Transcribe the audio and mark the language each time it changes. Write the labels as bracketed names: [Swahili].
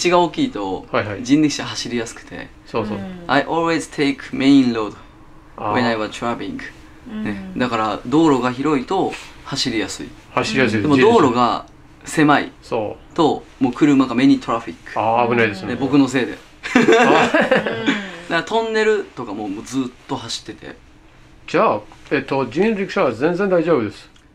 [Japanese] 道が大きいと人力車走りやすくて。そうそう。 [English] I always take main road when I was traveling. [Japanese] ね、だから道路が広いと走りやすい。走りやすい。でも道路が狭いと、もう車が目にトラフィック。ああ、危ないですね。僕のせいで。だからトンネルとかもずっと走ってて。じゃあ、人力車は全然大丈夫です。